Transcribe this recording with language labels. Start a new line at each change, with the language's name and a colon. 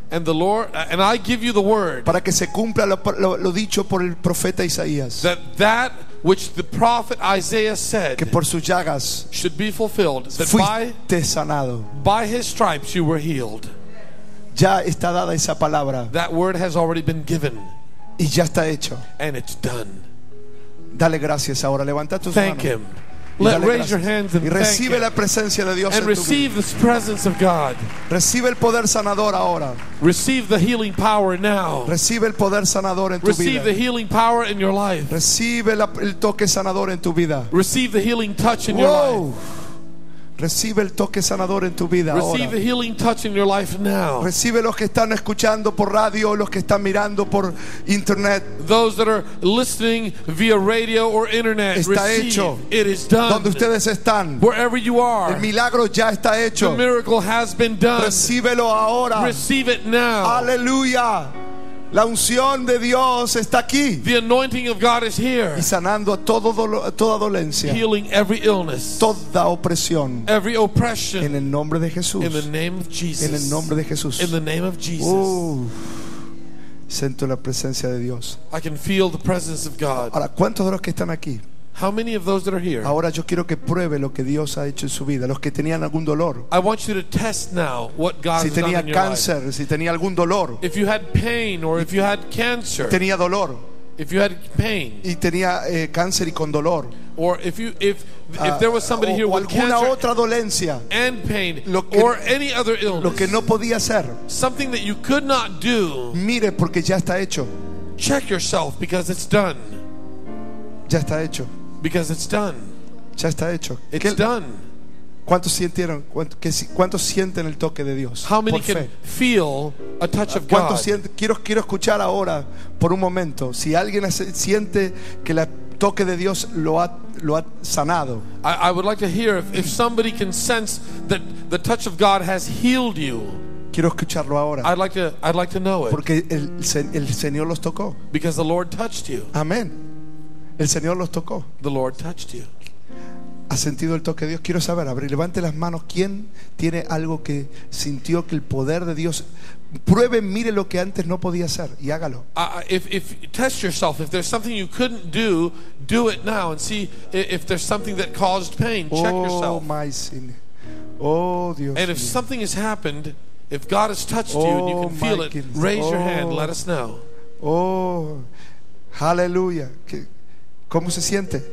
English: And the Lord, and I give you the word.
Spanish: Para que se cumpla lo dicho por el profeta Isaías.
English: That which the prophet Isaiah said,
Spanish: que por sus llagas
English: should be fulfilled, that
Spanish: fuiste sanado.
English: By his stripes you were healed.
Spanish: Ya está dada esa palabra.
English: That word has already been given.
Spanish: Y ya está hecho.
English: And it's done.
Spanish: Dale gracias ahora. Levanta tus
English: thank
Spanish: manos.
English: Him. Let raise your hands and
Spanish: y recibe
English: thank
Spanish: la presencia de Dios
English: and receive the presence of God.
Spanish: Recibe el poder sanador ahora.
English: Receive the healing power now.
Spanish: Recibe el poder sanador en tu
English: receive
Spanish: vida.
English: The healing power in your life.
Spanish: Recibe el toque sanador en tu vida.
English: Receive the healing touch in whoa. Your life.
Spanish: Recibe el toque sanador en tu vida ahora.
English: Receive the healing touch in your life now.
Spanish: Recibe los que están escuchando por radio, los que están mirando por internet.
English: Those that are listening via radio or internet.
Spanish: Está
English: receive.
Spanish: Hecho.
English: It is done.
Spanish: Donde ustedes están.
English: Wherever you are.
Spanish: El milagro ya está hecho.
English: The miracle has been done.
Spanish: Recíbelo ahora.
English: Receive it now.
Spanish: Aleluya. La unción de Dios está aquí.
English: The anointing of God is here.
Spanish: Y sanando a todo dolor, toda dolencia.
English: Healing every illness.
Spanish: Toda opresión.
English: Every oppression.
Spanish: En el nombre de Jesús.
English: In the name of Jesus.
Spanish: En el nombre de Jesús.
English: In the name of Jesus.
Spanish: Siento la presencia de Dios.
English: I can feel the presence of God.
Spanish: Ahora, ¿cuántos de los que están aquí?
English: How many of those that are here?
Spanish: Ahora yo quiero que pruebe lo que Dios ha hecho en su vida, los que tenían algún dolor.
English: I want you to test now what God
Spanish: si tenía
English: has done
Spanish: cáncer,
English: in your life.
Spanish: Si tenía algún dolor.
English: If you had pain or if you had cancer.
Spanish: Y tenía dolor.
English: If you had pain.
Spanish: Y tenía cáncer y con dolor.
English: Or if there was somebody here with
Spanish: alguna
English: cancer
Spanish: otra dolencia.
English: And pain or any other illness.
Spanish: Lo que no podía hacer.
English: Something that you could not do.
Spanish: Mire porque ya está hecho.
English: Check yourself because it's done.
Spanish: Ya está hecho.
English: Because it's done.
Spanish: Ya está hecho.
English: It's ¿qué, done.
Spanish: ¿Cuántos sintieron? ¿Cuántos sienten el toque de Dios?
English: How many can feel a touch of God?
Spanish: Quiero escuchar ahora por un momento. Si alguien siente que el toque de Dios lo ha sanado.
English: I would like to hear if somebody can sense that the touch of God has healed you.
Spanish: Quiero escucharlo ahora.
English: I'd like to know it.
Spanish: Porque el Señor los tocó.
English: Because the Lord touched you.
Spanish: Amén. El Señor los tocó.
English: The Lord touched you.
Spanish: ¿Ha sentido el toque de Dios? Quiero saber, abre, levante las manos. ¿Quién tiene algo que sintió que el poder de Dios? Pruebe, mire lo que antes no podía hacer y hágalo.
English: If test yourself, if there's something you couldn't do, do it now and see if there's something that caused pain. Check yourself. Oh my sin.
Spanish: Oh Dios.
English: And if something has happened, if God has touched you and you can feel it, raise your hand, let us know. Oh, hallelujah.
Spanish: ¿Cómo se siente?